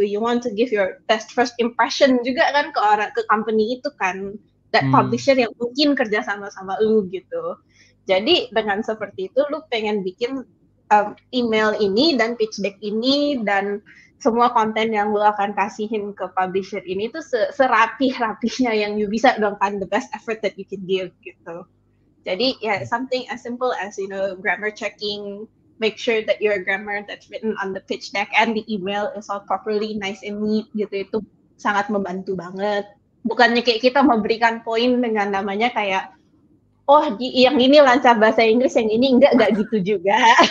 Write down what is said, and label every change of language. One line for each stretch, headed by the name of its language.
English: You want to give your best first impression
Indonesian: juga kan ke orang, ke company itu kan,
English: that publisher
Indonesian: yang mungkin kerja sama lu gitu. Jadi dengan seperti itu lu pengen bikin email ini dan pitch deck ini dan semua konten yang lu akan kasihin ke publisher ini tuh serapih-rapihnya yang you bisa dong, kan,
English: the best effort that you can give
Indonesian: gitu.
English: Jadi ya yeah, something as simple as you know grammar checking, make sure that your grammar that's written on the pitch deck and the email is all properly nice and neat gitu,
Indonesian: itu sangat membantu banget. Bukannya kayak kita memberikan poin dengan namanya kayak oh yang ini lancar bahasa Inggris, yang ini enggak gitu juga.